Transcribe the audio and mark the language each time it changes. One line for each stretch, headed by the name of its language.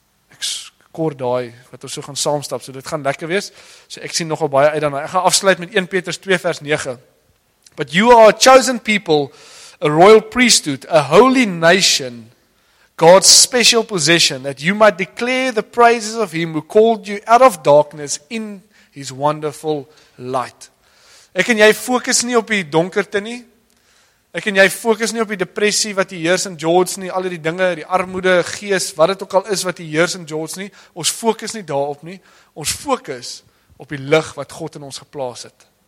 Afrikaans: Ek kort daai, wat ons so gaan saamstap, so dit gaan lekker wees, so ek sien nogal baie uit daarna. Ek gaan afsluit met 1 Petrus 2 vers 9.
English: But you are a chosen people, a royal priesthood, a holy nation, God's special possession, that you might declare the praises of him who called you out of darkness in his wonderful light.
Afrikaans: Ek en jy fokus nie op die donkerte nie. Ek en jy fokus nie op die depressie wat die heers in George nie, al die dinge, die armoede, gees, wat het ook al is wat die heers in George nie. Ons fokus nie daarop nie. Ons fokus op die lig wat God in ons geplaas het.